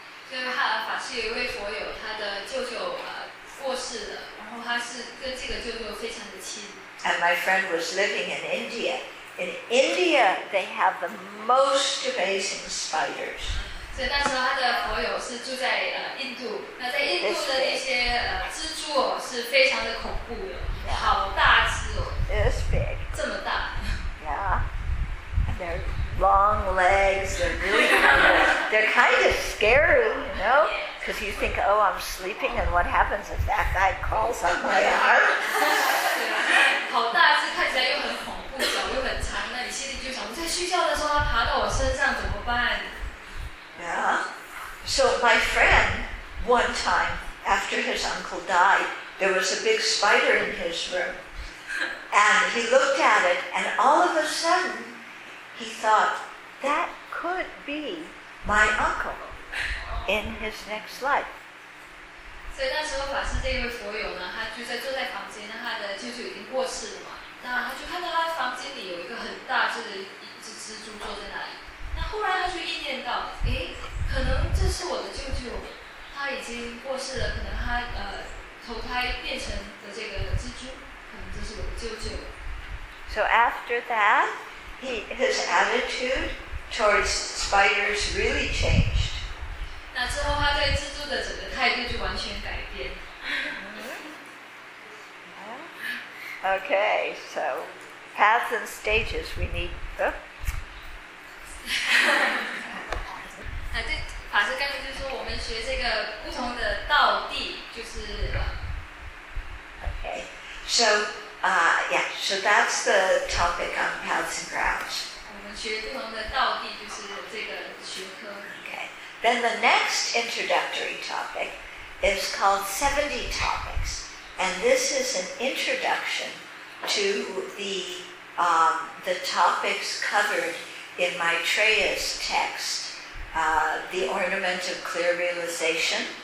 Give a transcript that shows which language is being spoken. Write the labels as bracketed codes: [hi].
[zh] 所以哈法师有一位佛友，他的舅舅过世了，然后他是跟这个舅舅非常的亲。 [en] And my friend was living in India. In India, they have the most amazing spiders. [zh] So, 那时候他的佛友是住在印度。那在印度的那些蜘蛛哦，是非常的恐怖的， yeah. 好大只哦。 [en] This big. [zh] 这么大。 [en] Yeah. And their long legs. They're really kind of, they're kind of scary, you know? Because you think, oh, I'm sleeping, and what happens if that guy crawls on my arm? [zh] 对啊，好大只，看起来又很恐怖。脚又很长，那你心里就想，在睡觉的时候，它爬到我身上怎么办 [en] ？Yeah. So my friend, one time after his uncle died, there was a big spider in his room, and he looked at it, and all of a sudden, he thought that could be my uncle in his next life. [zh] 所以那时候，法师这位佛友呢，他就在坐在房间，那他的舅舅已经过世了嘛。那他就看到他房间里有一个很大，就是一只蜘蛛坐在那里。那忽然他就意念到，哎，可能这是我的舅舅，他已经过世了，可能他投胎变成的这个蜘蛛，可能这是我的舅舅。 [en] So after that, his attitude towards spiders really changed. [zh] 那之后他对蜘蛛的整个态度就完全改变。 [en] Okay, so paths and stages we need. [zh] 对，法师刚才就说我们学这个不同的道地就是。 [en] Okay, so so that's the topic on paths and grounds. [zh] 我们学不同的道地就是这个学科。 [en] Okay, then the next introductory topic is called 70 topics. And this is an introduction to the topics covered in Maitreya's text, The Ornament of Clear Realization.